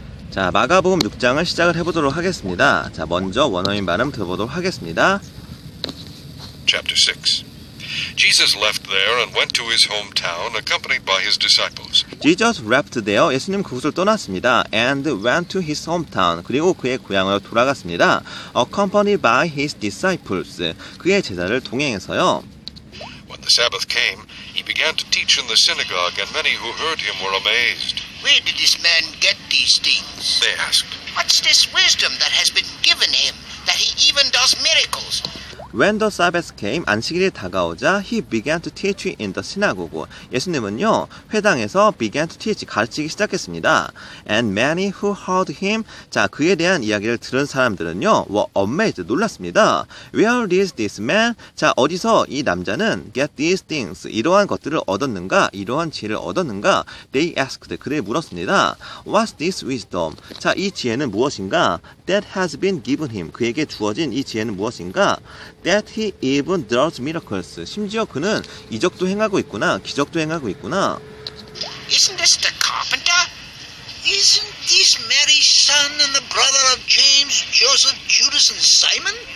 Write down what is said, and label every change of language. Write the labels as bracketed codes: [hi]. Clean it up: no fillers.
[ko] 자, 마가복음 6장을 시작을 해보도록 하겠습니다. 자, 먼저 원어민 발음 들어보도록 하겠습니다. [en] Chapter 6. Jesus left there and went to his hometown accompanied by his disciples. Jesus left there. [ko] 예수님 그곳을 떠났습니다. [en] And went to his hometown. [ko] 그리고 그의 고향으로 돌아갔습니다. [en] Accompanied by his disciples. [ko] 그의 제자를 동행해서요. [en] When the Sabbath came, he began to teach in the synagogue and many who heard him were amazed. Where did this man get these things? They asked. What's this wisdom that has been given him that he even does miracles? When the Sabbath came, [ko] 안식일이 다가오자 [en] he began to teach in the synagogue. [ko] 예수님은요, 회당에서 [en] began to teach, [ko] 가르치기 시작했습니다. [en] And many who heard him, [ko] 자, 그에 대한 이야기를 들은 사람들은요, [en] were amazed, [ko] 놀랐습니다. [en] Where did this man, [ko] 자, 어디서 이 남자는 [en] get these things, [ko] 이러한 것들을 얻었는가, 이러한 지혜를 얻었는가, [en] they asked, [ko] 그들이 물었습니다. [en] What's this wisdom? [ko] 자, 이 지혜는 무엇인가? [en] That has been given him, [ko] 그에게 주어진 이 지혜는 무엇인가? [en] That he even does miracles. [ko] 심지어 그는 이적도 행하고 있구나, 기적도 행하고 있구나. [en] Isn't this the carpenter? Isn't this Mary's son and the brother of James, Joseph, Judas, and Simon?